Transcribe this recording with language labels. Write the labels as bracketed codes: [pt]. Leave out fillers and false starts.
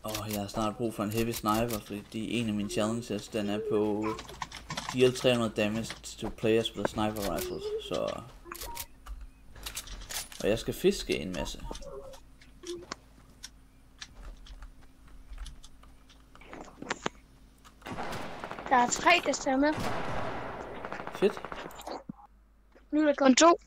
[da] jeg har snart brug for en heavy sniper, fordi en af mine challenges, den er på... [en] deal 300 damage to players with sniper rifles, [da] så... Og jeg skal fiske en masse. Der er 3, der står med. [en] Shit. [da] Nu er der kun 2.